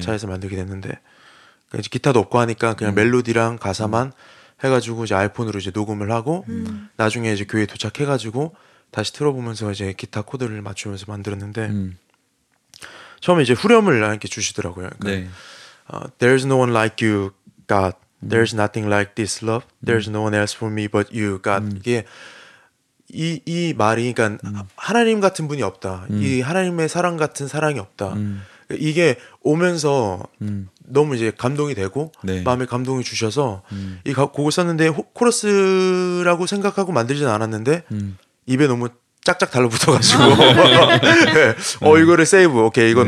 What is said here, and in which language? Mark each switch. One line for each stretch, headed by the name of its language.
Korean: 차에서 만들게 됐는데 이제 기타도 없고 하니까 그냥 멜로디랑 가사만 해가지고 이제 아이폰으로 이제 녹음을 하고 나중에 이제 교회에 도착해가지고 다시 틀어보면서 이제 기타 코드를 맞추면서 만들었는데 처음에 이제 후렴을 이렇게 주시더라고요. 그러니까 네.
English: There's no one like you, God. There's nothing like this love. There's no one else for me but you, God.
Korean: 이게 이 말이 그러니까 하나님 같은 분이 없다. 이 하나님의 사랑 같은 사랑이 없다. 이게 오면서 너무 이제 감동이 되고 네. 마음에 감동이 주셔서 이 곡을 썼는데 코러스라고 생각하고 만들진 않았는데 입에 너무 짝짝 달라붙어가지고 네. 이거를 세이브. 오케이 이거 네.